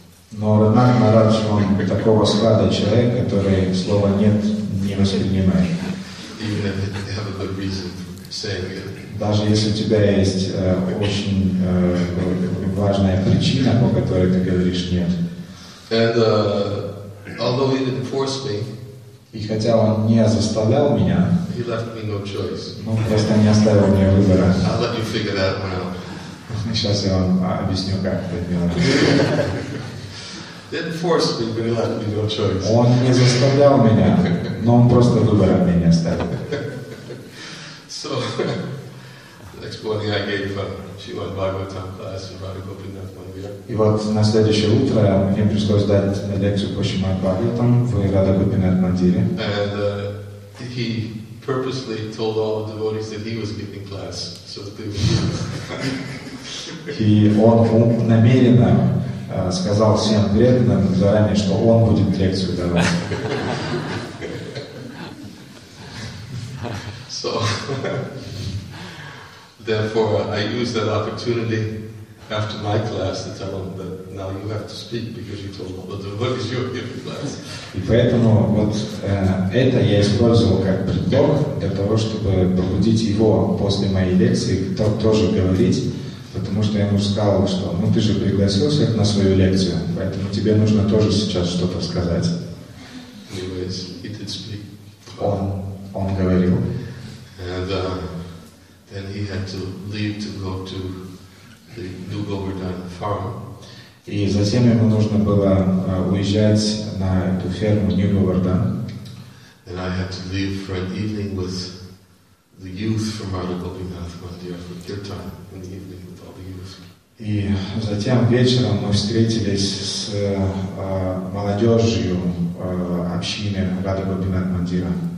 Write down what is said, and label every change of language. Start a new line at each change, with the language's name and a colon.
Russian: Но Радханат Махарадж, он такого склада человек, который слова нет не воспринимает.
English: Even if you have a good reason for saying it.
Russian: Даже если у тебя есть очень важная причина, по которой ты говоришь нет.
English: And although he didn't force me.
Russian: И хотя он не заставлял меня,
English: he left me no choice.
Russian: Он просто не оставил мне выбора.
English: I'll let you figure that one out.
Russian: Сейчас я вам объясню, как это делать.
English: Didn't force me, but he left me no choice.
Russian: Он не заставлял меня, но он просто выбора мне не оставил.
English: So, next morning I gave Srimad Bhagavatam class in Radha Gopinath Mandir.
Russian: И вот на следующее утро мне пришлось дать лекцию по Шримад Бхагаватам в Радха Гопинатх Мандире.
English: And he purposely told all the devotees that he was giving class, so that they would.
Russian: И он намеренно сказал всем преданным заранее, что он будет лекцию давать.
English: So, therefore, I used that opportunity after my class to tell him that now you have to speak because you told all the devotees you were giving class.
Russian: И поэтому вот это я использовал как предлог для того, чтобы побудить его после моей лекции тоже говорить. Потому что я ему сказал, что ну ты же пригласил всех на свою лекцию, поэтому тебе нужно тоже сейчас что-то сказать.
English: Anyways, he did speak.
Russian: Он говорил.
English: And then he had to leave to go to the New Govardhan farm.
Russian: И затем ему нужно было уезжать на эту ферму New Govardhan.
English: And I had to leave for an evening with the youth from Radha Gopinath Mandir for kirtan in the evening.
Russian: И затем вечером мы встретились с молодежью общины Радха Гопинатх Мандира.